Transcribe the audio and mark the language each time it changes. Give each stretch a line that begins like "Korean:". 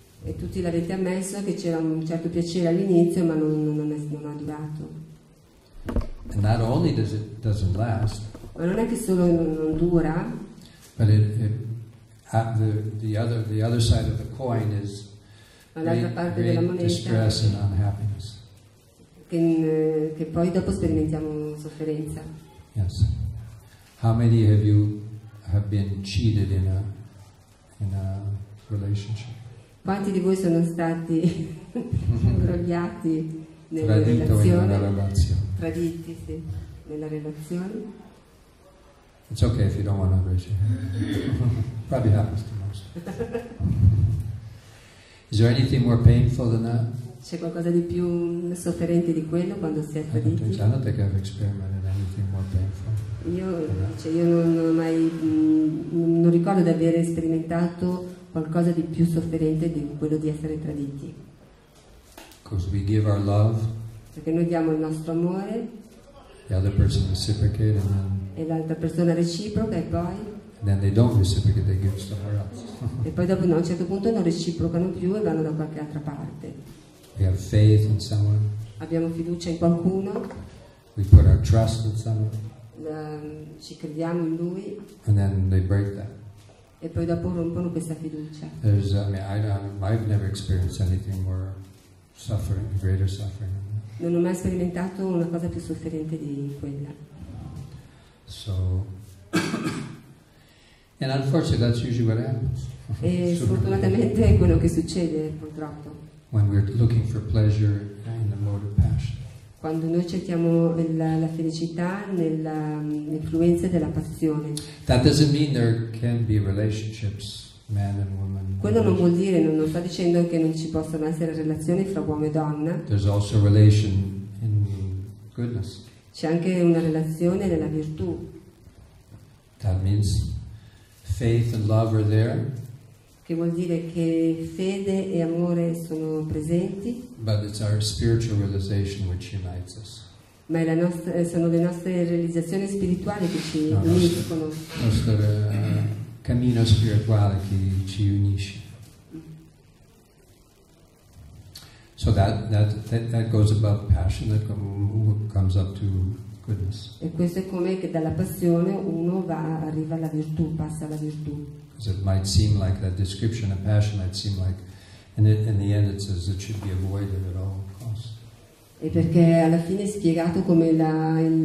Italian: E tutti l'avete ammesso che c'era un certo piacere all'inizio, ma non ha durato.
English: And not only doesn't last.
Italian: Ma non è che solo non dura.
English: But it the other side of the coin is great distress and unhappiness.
Italian: Che poi dopo sperimentiamo sofferenza.
English: Yes. How many of you have been cheated in a relationship?
Italian: Quanti di voi sono stati imbrogliati traditi, sì, nella relazione?
English: It's okay if you don't want to raise your hand. Probably happens to most. Is there anything more painful than that?
Italian: C'è qualcosa di più sofferente di quello quando si è traditi?
English: I don't think I've experimented anything more painful.
Italian: Non ricordo di aver sperimentato qualcosa di più sofferente di quello di essere traditi.
English: Because we give our love.
Italian: perché noi diamo il nostro amore,
English: the other person reciprocate, and then,
Italian: e l'altra persona reciproca, e poi
English: then they don't reciprocate, they give somewhere else.
Italian: E poi dopo no, a un certo punto non reciprocano più e vanno da qualche altra parte.
English: We have faith in someone.
Italian: Abbiamo fiducia in qualcuno.
English: We put our trust in someone.
Italian: Ci crediamo in lui.
English: And then they break that.
Italian: E poi dopo rompono questa fiducia.
English: I've never experienced anything more suffering, greater suffering.
Italian: Non ho mai sperimentato una cosa più sofferente di quella.
English: So, and unfortunately, that's usually what happens.
Italian: E sfortunatamente è quello che succede, purtroppo.
English: When we're looking for pleasure in the mode of passion.
Italian: Quando noi cerchiamo la felicità nell'influenza della passione.
English: That doesn't mean there can be relationships, man and woman.
Italian: Quello non vuol dire, non sto dicendo che non ci possono essere relazioni fra uomo e donna.
English: There's also relation in goodness.
Italian: C'è anche una relazione nella virtù.
English: That means faith and love are there.
Italian: Che vuol dire che fede e amore sono presenti.
English: But it's our spiritual realization which unites us.
Italian: Ma è la nostra, sono le nostre realizzazioni spirituali che ci uniscono. Il nostro cammino spirituale che ci unisce.
English: So that goes above passion, that comes up to goodness.
Italian: E questo è come che dalla passione uno va, arriva alla virtù, passa alla virtù.
English: It might seem like that description of passion might seem like, and it, in the end it says it should be avoided at all costs.
Italian: E perché alla fine è spiegato come la